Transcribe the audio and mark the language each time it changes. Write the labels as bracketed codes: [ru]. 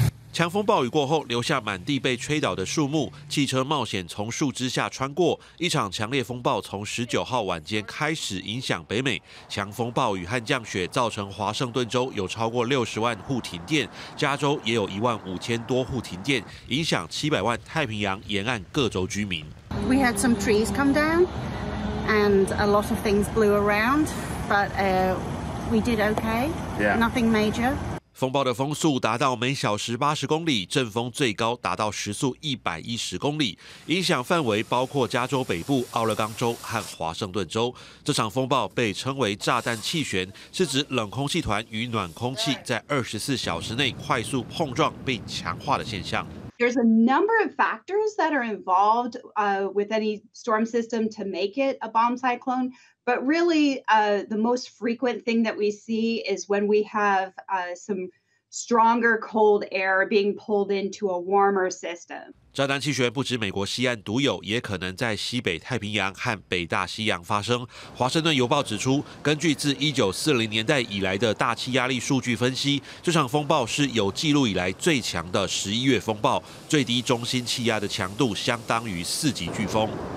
[zh] 强风暴雨过后，留下满地被吹倒的树木，汽车冒险从树枝下穿过。一场强烈风暴从19号晚间开始影响北美，强风暴雨和降雪造成华盛顿州有超过60万户停电，加州也有15000多户停电，影响700万太平洋沿岸各州居民。 [en] We had some trees come down, and a lot of things blew around, but we did okay. Yeah. Nothing major. [zh] 风暴的风速达到每小时80公里，阵风最高达到时速110公里，影响范围包括加州北部、奥勒冈州和华盛顿州。这场风暴被称为炸弹气旋，是指冷空气团与暖空气在24小时内快速碰撞并强化的现象。 [en] There's a number of factors that are involved with any storm system to make it a bomb cyclone. But really, the most frequent thing that we see is when we have some stronger cold air being pulled into a warmer system. [zh] 炸弹气旋不止美国西岸独有，也可能在西北太平洋和北大西洋发生。华盛顿邮报指出，根据自1940年代以来的大气压力数据分析，这场风暴是有记录以来最强的11月风暴，最低中心气压的强度相当于4级飓风。